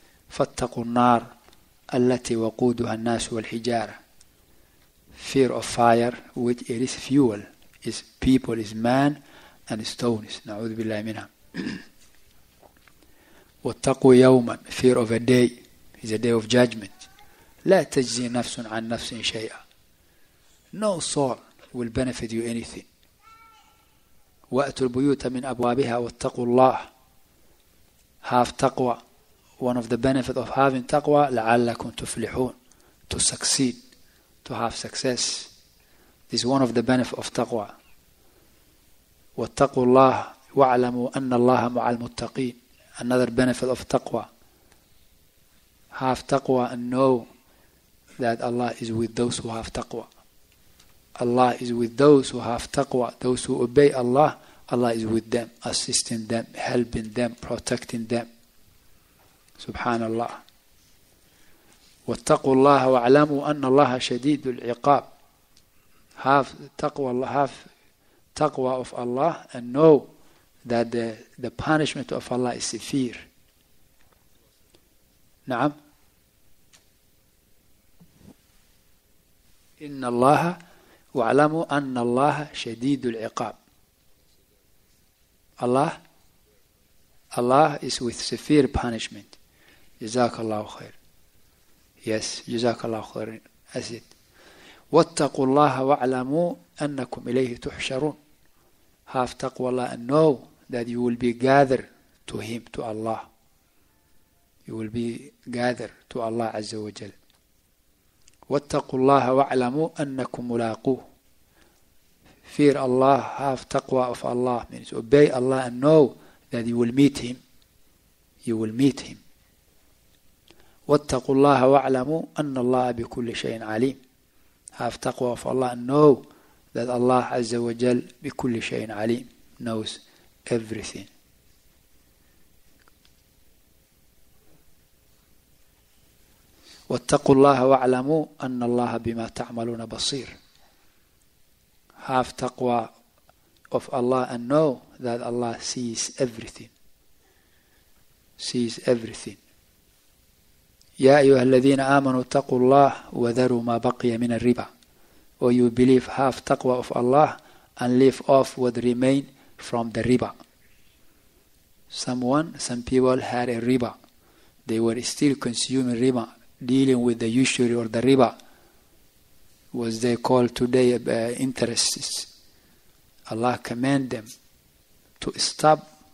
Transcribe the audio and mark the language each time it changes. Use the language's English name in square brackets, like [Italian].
[Arabic] Fattaqu an-nar التي وقودها الناس والحجارة. [English] Fear of fire, which it is fuel, is people, is man, and stones. [Arabic] نعوذ بالله منها. واتقوا يوما, [English] fear of a day, is a day of judgment. [Arabic] لا تجزي نفس عن نفس شيئا. [English] No soul will benefit you anything. [Arabic] وأتوا البيوت من أبوابها واتقوا الله. [English] Have تقوى. One of the benefits of having taqwa, [Arabic] لَعَلَّكُمْ تُفْلِحُونَ, [English] to succeed, to have success. This is one of the benefits of taqwa. [Arabic] وَاتَّقُوا اللَّهَ وَاعْلَمُوا أَنَّ اللَّهَ مَعَ الْمُتَّقِينَ. [English] Another benefit of taqwa. Have taqwa and know that Allah is with those who have taqwa. Allah is with those who have taqwa. Those who obey Allah, Allah is with them, assisting them, helping them, protecting them. [Arabic] سبحان الله واتقوا الله واعلموا أن الله شديد العقاب. [English] Have taqwa of Allah and know that the punishment of Allah is severe. [Arabic] نعم إن الله واعلموا أن الله شديد العقاب. [English] Allah is with severe punishment. Jazakallahu khair. [Arabic] Yes, Jazakallahu khair. [English] That's it. [Arabic] وَاتَّقُوا اللَّهَ وَاعْلَمُوا أَنَّكُمْ إِلَيْهِ تُحْشَرُونَ. [English] Have taqwa Allah and know that you will be gathered to Him, to Allah. You will be gathered to Allah Azza wa Jal. [Arabic] وَاتَّقُوا اللَّهَ وَاعْلَمُوا أَنَّكُمْ مُلَاقُوهُ. [English] Fear Allah, have taqwa of Allah. Means obey Allah and know that you will meet Him. You will meet Him. [Arabic] واتقوا الله واعلموا أن الله بكل شيء عليم. [English] Have taqwa of Allah and know that Allah [Arabic] عز وجل بكل شيء عليم, [English] knows everything. [Arabic] واتقوا الله واعلموا أن الله بما تعملون بصير. [English] Have taqwa of Allah and know that Allah sees everything. sees everything. [Arabic] يا أيها الذين آمنوا اتقوا الله وذروا ما بقي من الربا. [English] Or you believe half taqwa of Allah and leave off what remain from the riba. Some people had a riba. They were still consuming riba, dealing with the usury or the riba. Was they called today interests? Allah command them to stop.